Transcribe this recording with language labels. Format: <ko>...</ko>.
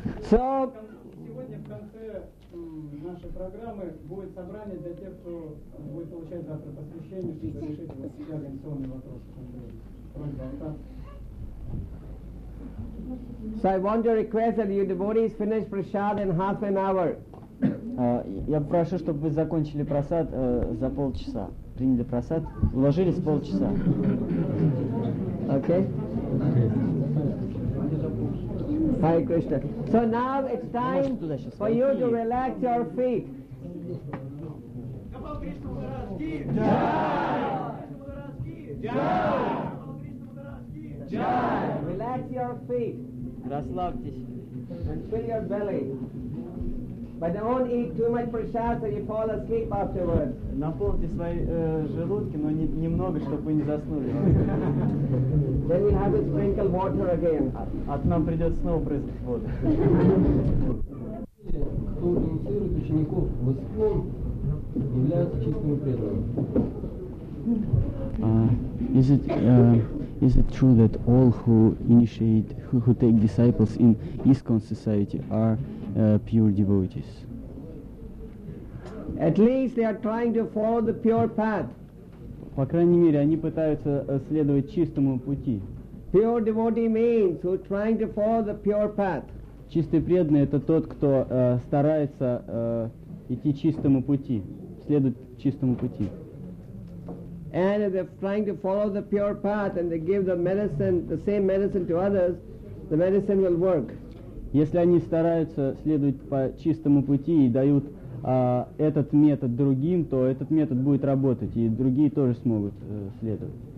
<ru>Сегодня в конце нашей программы будет собрание для тех, кто будет получать завтра посвящение, чтобы решить вот все организационные вопросы.</ru> <en>So I want to request that you devotees finish prasad in half an hour.</en> <ru>Я прошу, чтобы вы закончили прасад за полчаса. Приняли прасад, уложились полчаса.</ru> <en>Okay. Hare Krishna. So now it's time for you to relax your feet. Jai! Relax your feet.</en> <ru>Расслабьтесь.</ru> <en>And fill your belly. But don't eat too much prasad so you fall asleep afterwards.</en> <ru>Наполните свои желудки, но немного, чтобы вы не заснули.</ru> <en>Then we have to sprinkle water again.</en> <ru>От нам придется снова брызгать воду. Кто инициирует учеников в ИСККОН, являются чистыми преданными.</ru> <en>Is it true that all who take disciples in ISKCON society are pure devotees? At least they are trying to follow the pure path.</en> <ru>По крайней мере, они пытаются следовать чистому пути.</ru> <en>Pure devotee means who are trying to follow the pure path.</en> <ru>Чистый преданный — это тот, кто старается идти чистому пути, следовать чистому пути.</ru> <en>And if they're trying to follow the pure path and they give the medicine, the same medicine to others, the medicine will work.</en> <ru>Если они стараются следовать по чистому пути и дают этот метод другим, то этот метод будет работать, и другие тоже смогут следовать.</ru>